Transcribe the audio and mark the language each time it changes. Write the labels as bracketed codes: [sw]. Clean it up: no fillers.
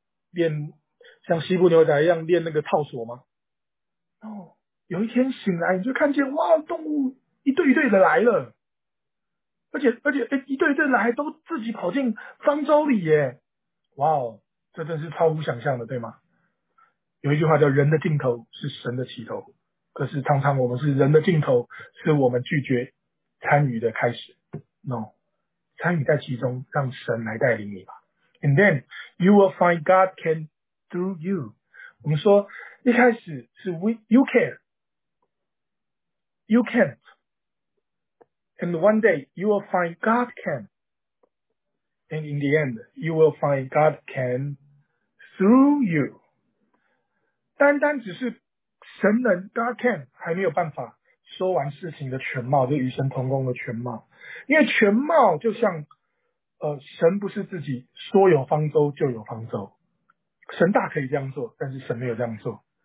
[zh] 练像西部牛仔一样练那个套索吗？哦，有一天醒来，你就看见哇，动物一对一对的来了，而且一对一对来都自己跑进方舟里耶，哇哦，这真是超乎想象的，对吗？有一句话叫人的尽头是神的起头，可是常常我们是人的尽头是我们拒绝参与的开始。 No， 参与在其中，让神来带领你吧。 [en] And then you will find God can through you。 [zh] 我们说一开始是 [en] you can you can't and one day you will find God can and in the end you will find God can through you。 [zh] 单单只是神能 [en] God can [zh] 还没有办法说完事情的全貌，就与神同工的全貌，因为全貌就像神不是自己说有方舟就有方舟，神大可以这样做，但是神没有这样做。